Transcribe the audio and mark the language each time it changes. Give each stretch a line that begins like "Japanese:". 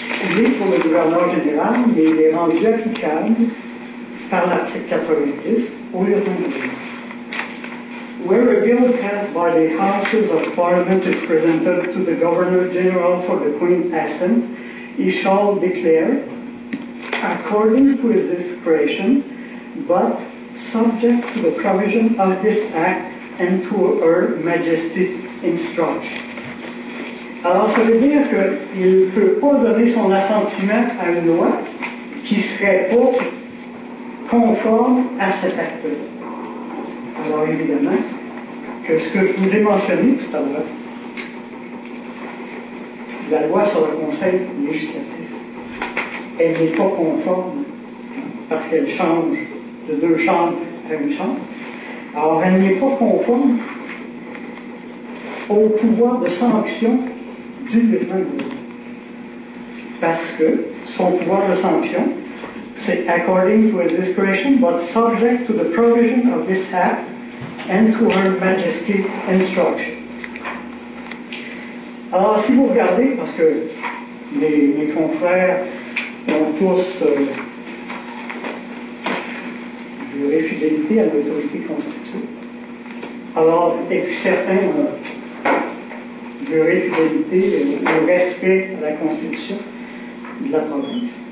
French: Il est pour le gouverneur général, mais il est rendu applicable par l'article 90 au lieutenant-gouverneur.
English: Where a bill passed by the Houses of Parliament is presented to the Governor General for the Queen's assent, he shall declare, according to his discretion, but subject to the provision of this act and to Her Majesty's instruction.
French: Alors, ça veut dire qu'il ne peut pas donner son assentiment à une loi qui ne serait pas conforme à cet acte-là. Alors, évidemment, que ce que je vous ai mentionné tout à l'heure, la loi sur le conseil législatif, elle n'est pas conforme parce qu'elle change de deux chambres à une chambre. Alors, elle n'est pas conforme au pouvoir de sanction du lieutenant gouverneur. Parce que son pouvoir de sanction, c'est
English: according to his discretion, but subject to the provision of this act and to Her Majesty's instruction.
French: Alors, si vous regardez, parce que mes confrères ont tous juré fidélité à l'autorité constituée, alors, et puis certains juré fidélité au respect de la Constitution de la province.